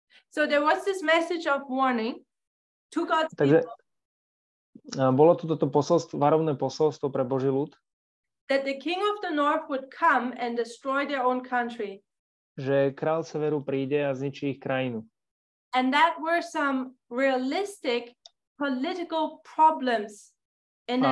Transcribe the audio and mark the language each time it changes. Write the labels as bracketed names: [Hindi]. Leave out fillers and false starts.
[English] So there was this message of warning to God's people. [Slovak] Bolo to toto posolstvo, varovné posolstvo pre Boží ľud. [English] That the king of the north would come and destroy their own country. [Slovak] Že kráľ severu príde a zničí ich krajinu. [English] And that were some realistic political problems in